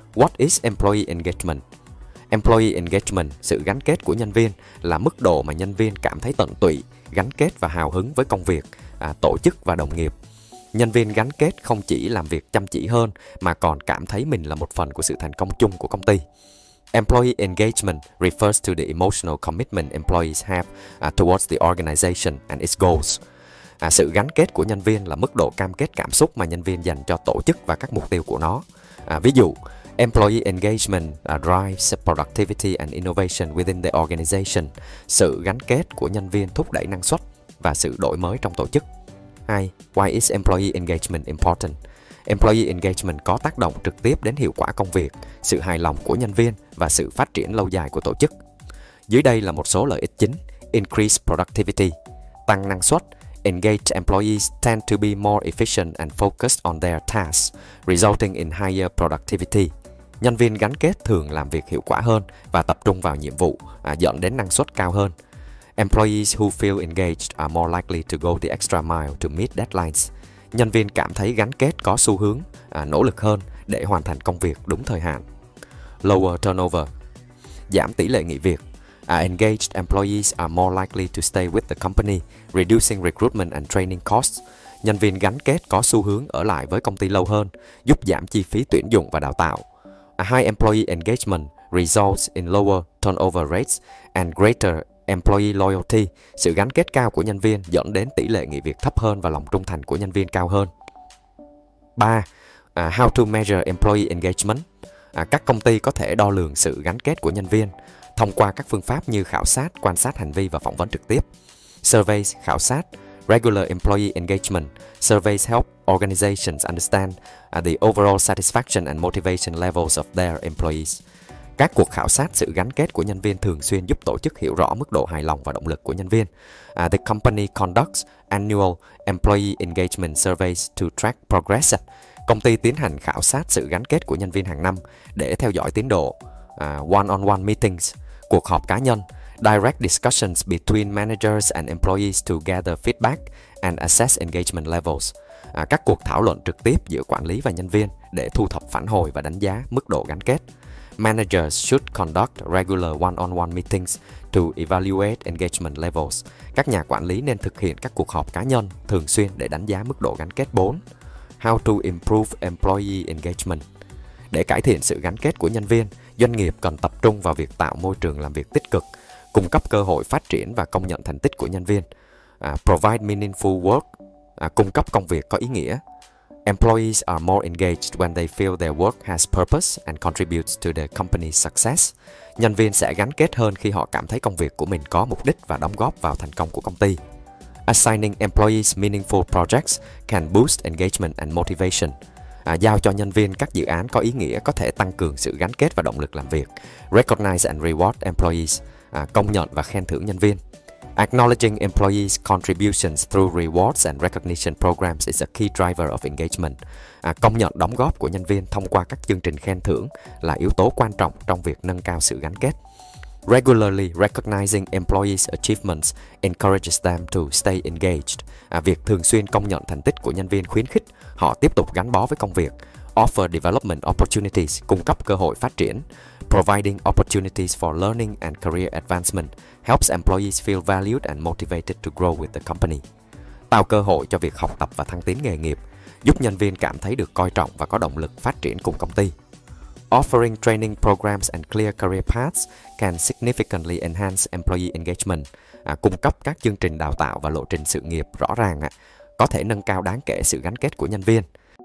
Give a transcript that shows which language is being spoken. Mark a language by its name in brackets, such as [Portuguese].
[English] What is employee engagement? Employee engagement, [Vietnamese] sự gắn kết của nhân viên, là mức độ mà nhân viên cảm thấy tận tụy, gắn kết và hào hứng với công việc, tổ chức và đồng nghiệp. Nhân viên gắn kết không chỉ làm việc chăm chỉ hơn, mà còn cảm thấy mình là một phần của sự thành công chung của công ty. [English] Employee engagement refers to the emotional commitment employees have towards the organization and its goals. [Vietnamese] Sự gắn kết của nhân viên là mức độ cam kết cảm xúc mà nhân viên dành cho tổ chức và các mục tiêu của nó. Ví dụ, [English] employee engagement drives productivity and innovation within the organization. [Vietnamese] Sự gắn kết của nhân viên thúc đẩy năng suất và sự đổi mới trong tổ chức. 2. [English] Why is employee engagement important? Employee engagement [Vietnamese] có tác động trực tiếp đến hiệu quả công việc, sự hài lòng của nhân viên và sự phát triển lâu dài của tổ chức. Dưới đây là một số lợi ích chính. [English] Increase productivity, [Vietnamese] tăng năng suất. [English] Engaged employees tend to be more efficient and focused on their tasks, resulting in higher productivity. [Vietnamese] Nhân viên gắn kết thường làm việc hiệu quả hơn và tập trung vào nhiệm vụ, dẫn đến năng suất cao hơn. [English] Employees who feel engaged are more likely to go the extra mile to meet deadlines. [Vietnamese] Nhân viên cảm thấy gắn kết có xu hướng, nỗ lực hơn để hoàn thành công việc đúng thời hạn. [English] Lower turnover, [Vietnamese] giảm tỷ lệ nghỉ việc. [English] Engaged employees are more likely to stay with the company, reducing recruitment and training costs. [Vietnamese] Nhân viên gắn kết có xu hướng ở lại với công ty lâu hơn, giúp giảm chi phí tuyển dụng và đào tạo. [English] High employee engagement results in lower turnover rates and greater employee loyalty. [Vietnamese] Sự gắn kết cao của nhân viên dẫn đến tỷ lệ nghỉ việc thấp hơn và lòng trung thành của nhân viên cao hơn. 3. [English] How to measure employee engagement? [Vietnamese] Các công ty có thể đo lường sự gắn kết của nhân viên thông qua các phương pháp như khảo sát, quan sát hành vi và phỏng vấn trực tiếp. [English] Surveys, [Vietnamese] khảo sát, [English] regular employee engagement. Surveys help organizations understand the overall satisfaction and motivation levels of their employees. [Vietnamese] Các cuộc khảo sát sự gắn kết của nhân viên thường xuyên giúp tổ chức hiểu rõ mức độ hài lòng và động lực của nhân viên. [English] The company conducts annual employee engagement surveys to track progress. [Vietnamese] Công ty tiến hành khảo sát sự gắn kết của nhân viên hàng năm để theo dõi tiến độ. [English] One-on-one meetings, [Vietnamese] cuộc họp cá nhân, [English] direct discussions between managers and employees to gather feedback and assess engagement levels. [Vietnamese] Các cuộc thảo luận trực tiếp giữa quản lý và nhân viên để thu thập phản hồi và đánh giá mức độ gắn kết. [English] Managers should conduct regular one-on-one meetings to evaluate engagement levels. [Vietnamese] Các nhà quản lý nên thực hiện các cuộc họp cá nhân thường xuyên để đánh giá mức độ gắn kết. 4. [English] How to improve employee engagement? [Vietnamese] Để cải thiện sự gắn kết của nhân viên, doanh nghiệp cần tập trung vào việc tạo môi trường làm việc tích cực, cung cấp cơ hội phát triển và công nhận thành tích của nhân viên. [English] Provide meaningful work, [Vietnamese] cung cấp công việc có ý nghĩa. [English] Employees are more engaged when they feel their work has purpose and contributes to the company's success. [Vietnamese] Nhân viên sẽ gắn kết hơn khi họ cảm thấy công việc của mình có mục đích và đóng góp vào thành công của công ty. [English] Assigning employees meaningful projects can boost engagement and motivation. [Vietnamese] Giao cho nhân viên các dự án có ý nghĩa có thể tăng cường sự gắn kết và động lực làm việc. [English] Recognize and reward employees, [Vietnamese] công nhận và khen thưởng nhân viên. [English] Acknowledging employees' contributions through rewards and recognition programs is a key driver of engagement. [Vietnamese] Công nhận đóng góp của nhân viên thông qua các chương trình khen thưởng là yếu tố quan trọng trong việc nâng cao sự gắn kết. [English] Regularly recognizing employees' achievements encourages them to stay engaged. [Vietnamese] Việc thường xuyên công nhận thành tích của nhân viên khuyến khích họ tiếp tục gắn bó với công việc. [English] Offer development opportunities, [Vietnamese] cung cấp cơ hội phát triển. [English] Providing opportunities for learning and career advancement helps employees feel valued and motivated to grow with the company. [Vietnamese] Tạo cơ hội cho việc học tập và thăng tiến nghề nghiệp, giúp nhân viên cảm thấy được coi trọng và có động lực phát triển cùng công ty. [English] Offering training programs and clear career paths can significantly enhance employee engagement. [Vietnamese] Cung cấp các chương trình đào tạo và lộ trình sự nghiệp rõ ràng có thể nâng cao đáng kể sự gắn kết của nhân viên.